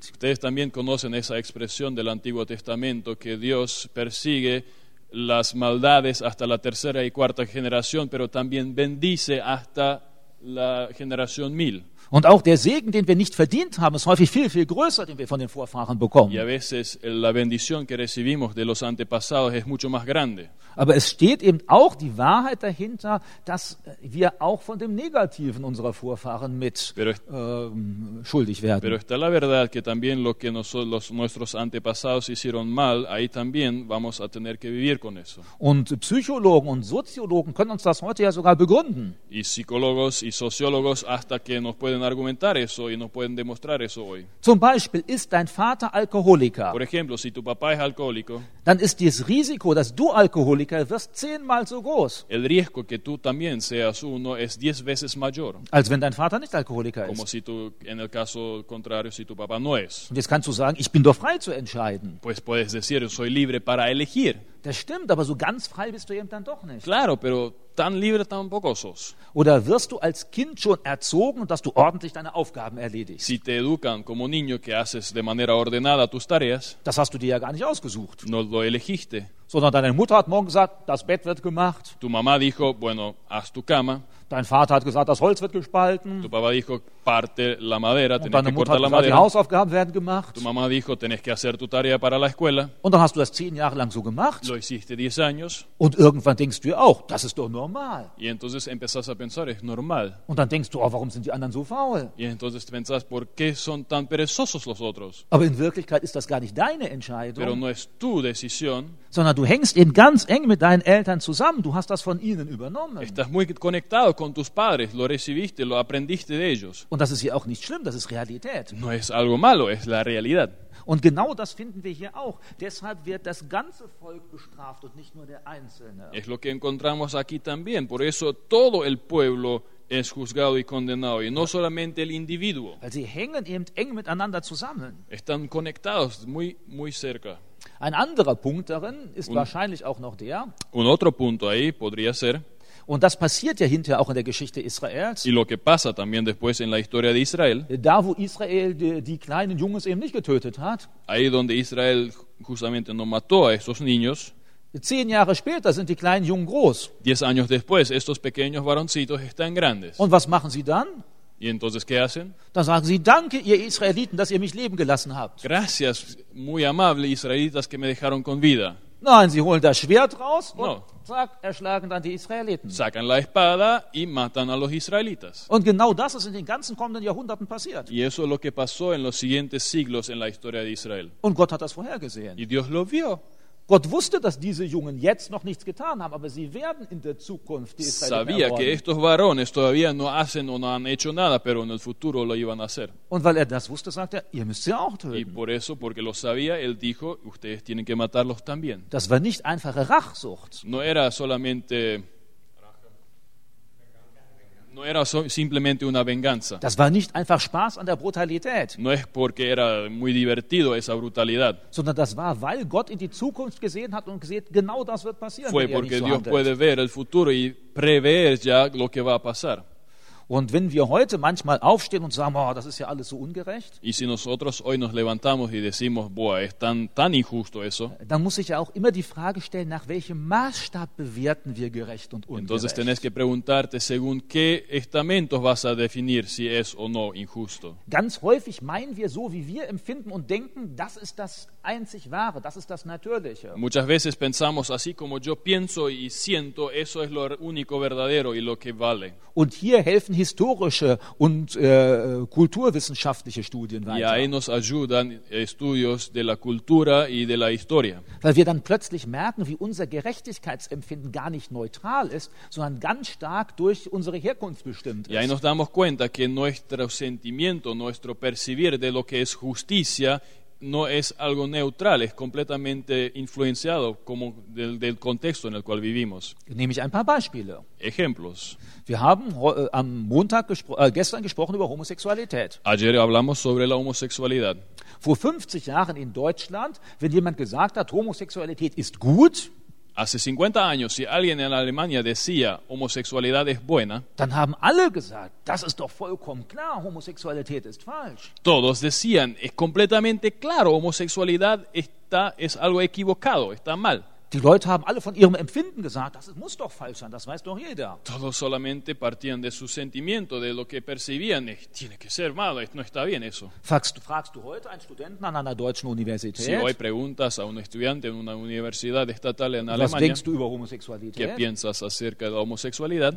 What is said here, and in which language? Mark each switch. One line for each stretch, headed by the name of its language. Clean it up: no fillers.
Spanish: Ustedes también conocen esa expresión del Antiguo Testamento, que Dios persigue las maldades hasta la tercera y cuarta generación, pero también bendice hasta la generación mil.
German: Und auch der Segen, den wir nicht verdient haben, ist häufig viel, viel größer, den wir von den Vorfahren bekommen.
Spanish: Y a veces la bendición que recibimos de los antepasados es mucho más grande.
German: Aber es steht eben auch die Wahrheit dahinter, dass wir auch von dem Negativen unserer Vorfahren mit schuldig werden.
Spanish: Pero está la verdad que también lo que nuestros antepasados hicieron mal, ahí también vamos a tener que vivir con eso.
German: Und Psychologen und Soziologen können uns das heute ja sogar begründen.
Spanish: Y psicólogos y sociólogos hasta que nos pueden argumentar eso y nos pueden demostrar eso hoy.
German: Zum Beispiel, ist dein Vater Alkoholiker?
Spanish: Por ejemplo, si tu papá es alcohólico,
German: dann ist das Risiko, dass du Alkoholiker wirst, 10-mal so groß.
Spanish: El riesgo que tú también seas uno es 10 veces mayor.
German: Als wenn dein Vater nicht Alkoholiker
Spanish: como
German: ist.
Spanish: Como si tu, en el caso contrario, si tu papá no es.
German: Und jetzt kannst du sagen, ich bin doch frei zu entscheiden.
Spanish: Pues puedes decir, soy libre para elegir.
German: Das stimmt, aber so ganz frei bist du eben dann doch nicht.
Spanish: Claro, pero tan libre tampoco sos.
German: Oder wirst du als Kind schon erzogen, dass du ordentlich deine Aufgaben erledigst?
Spanish: Si te educan como niño que haces de manera ordenada tus tareas.
German: Das hast du dir ja gar nicht ausgesucht.
Spanish: No lo elegiste.
German: Sondern deine Mutter hat morgen gesagt, das Bett wird gemacht.
Spanish: Tu mamá dijo, bueno, haz tu cama.
German: Dein Vater hat gesagt, das Holz wird gespalten.
Spanish: Tu papá dijo, parte la madera, tenés que cortar la madera.
German: Und deine Mutter hat gesagt, die Hausaufgaben werden gemacht.
Spanish: Tu mamá dijo, tenés que hacer tu tarea para la escuela.
German: Und dann hast du das 10 Jahre lang so gemacht.
Spanish: Lo hiciste 10 años.
German: Und irgendwann denkst du auch, das ist doch normal.
Spanish: Y entonces empezás a pensar, es normal.
German: Und dann denkst du auch, warum sind die anderen so faul?
Spanish: Y entonces pensás, ¿por qué son tan perezosos los otros?
German: Aber in Wirklichkeit ist das gar nicht deine Entscheidung.
Spanish: Pero no es tu decisión.
German: Sondern du hängst eben ganz eng mit deinen Eltern zusammen. Du hast das von ihnen übernommen.
Spanish: Estás muy conectado con tus padres. Lo recibiste, lo aprendiste de ellos.
German: Und das ist hier auch nicht schlimm, das ist Realität.
Spanish: No es algo malo, es la realidad.
German: Und genau das finden wir hier auch. Deshalb wird das ganze Volk bestraft und nicht nur der Einzelne.
Spanish: Es lo que encontramos aquí también. Por eso todo el pueblo es juzgado y condenado, y no solamente el individuo.
German: Weil sie hängen eben eng miteinander zusammen.
Spanish: Están conectados muy, muy cerca.
German: Ein anderer Punkt darin ist wahrscheinlich auch noch der.
Spanish: Un otro punto ahí podría ser.
German: Und das passiert ja hinterher auch in der Geschichte Israels.
Spanish: Y lo que pasa también después en la historia de Israel.
German: Da, wo Israel die kleinen Jungs eben nicht getötet hat.
Spanish: Ahí donde Israel justamente no mató a esos niños.
German: 10 Jahre später sind die kleinen Jungen groß.
Spanish: 10 años después, estos pequeños varoncitos están grandes.
German: Und was machen sie dann?
Spanish: Y entonces, ¿qué hacen?
German: Dann sagen sie, danke, ihr Israeliten, dass ihr mich leben gelassen habt.
Spanish: Gracias, muy amable, Israelitas, que me dejaron con vida.
German: Nein, sie holen das Schwert raus und zack, erschlagen dann die Israeliten.
Spanish: Sacan la espada y matan a los israelitas.
German: Und genau das ist in den ganzen kommenden Jahrhunderten passiert.
Spanish: Y eso es lo que pasó en los siguientes siglos en la historia de Israel.
German: Und Gott hat das vorhergesehen.
Spanish: Y Dios lo vio.
German: Gott wusste, dass diese Jungen jetzt noch nichts getan haben, aber sie werden in der Zukunft die Israeliten ermorden.
Spanish: Sabía que estos varones todavía no hacen o no han hecho nada, pero en el futuro lo iban a hacer.
German: Und weil er das wusste, sagt er, ihr müsst sie auch töten.
Spanish: Y por eso, porque lo sabía, él dijo, ustedes tienen que matarlos también.
German: Das war nicht einfache Rachsucht.
Spanish: No era solamente... No era simplemente una venganza.
German: Das war nicht einfach Spaß an der Brutalität.
Spanish: No es porque era muy divertido esa brutalidad.
German: Sondern das war, weil Gott in die Zukunft gesehen hat und gesehen, genau das wird passieren.
Spanish: Fue porque Dios puede ver el futuro y prever ya lo que va a pasar.
German: Und wenn wir heute manchmal aufstehen und sagen, oh, das ist ja alles so ungerecht.
Spanish: Y si nosotros hoy nos levantamos y decimos, boah, es tan, tan injusto eso.
German: Dann muss ich ja auch immer die Frage stellen, nach welchem Maßstab bewerten wir gerecht und ungerecht.
Spanish: Entonces tenés que preguntarte, según qué estamentos vas a definir, si es o no injusto.
German: Ganz häufig meinen wir so, wie wir empfinden und denken, das ist das einzig Wahre, das ist das Natürliche.
Spanish: Muchas veces pensamos así como yo pienso y siento, eso es lo único verdadero y lo que vale.
German: Und hier helfen historische und kulturwissenschaftliche Studien weiter.
Spanish: Y ahí nos ayudan estudios de la cultura y de la historia.
German: Weil wir dann plötzlich merken, wie unser Gerechtigkeitsempfinden gar nicht neutral ist, sondern ganz stark durch unsere Herkunft bestimmt ist.
Spanish: Y ahí nos damos cuenta que nuestro sentimiento, nuestro percibir de lo que es justicia, no es algo neutral, es completamente influenciado como del contexto en el cual vivimos.
German: Nehme ich ein paar Beispiele.
Spanish: Ejemplos.
German: Wir haben am Montag gestern gesprochen über Homosexualität.
Spanish: Ayer hablamos sobre la homosexualidad.
German: Vor 50 Jahren in Deutschland, wenn jemand gesagt hat, Homosexualität ist gut,
Spanish: hace 50 años, si alguien en Alemania decía homosexualidad es buena,
German: dann haben alle gesagt, das ist doch vollkommen klar, Homosexualität ist falsch.
Spanish: Todos decían, es completamente claro, homosexualidad es algo equivocado, está mal.
German: Die Leute haben alle von ihrem Empfinden gesagt, das muss doch falsch sein, das weiß doch jeder.
Spanish: Todos solamente partían de su sentimiento, de lo que percibían. Tiene que ser malo, no está bien eso.
German: Fragst du heute einen Studenten an einer deutschen Universität?
Spanish: Si hoy preguntas a un estudiante en una universidad estatal en
German: Alemania, was denkst du über Homosexualität?
Spanish: ¿Qué piensas acerca de la homosexualidad?